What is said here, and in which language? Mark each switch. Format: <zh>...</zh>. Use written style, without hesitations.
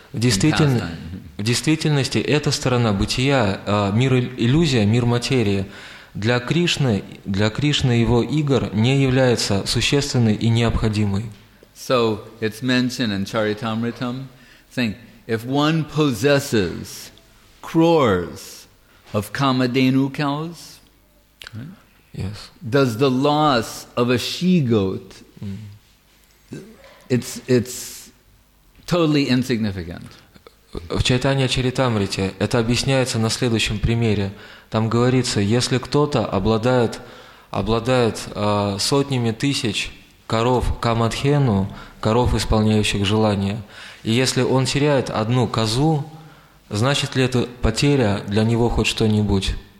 <ru>В действительности, эта сторона бытия, мир иллюзия, мир материи, для Кришны его игр не является существенной и необходимой.</ru> <en>So it's mentioned in Charitamritam. Think, if one possesses crores of Kamadhenu cows, yes. Does the loss of a she-goat, it's totally insignificant.</en> <ru>В Чайтанья Чаритамрите это объясняется на следующем примере. Там говорится, если кто-то обладает сотнями тысяч коров камадхену, коров, исполняющих желания, и если он теряет одну козу, значит ли это потеря для него хоть что-нибудь?</ru>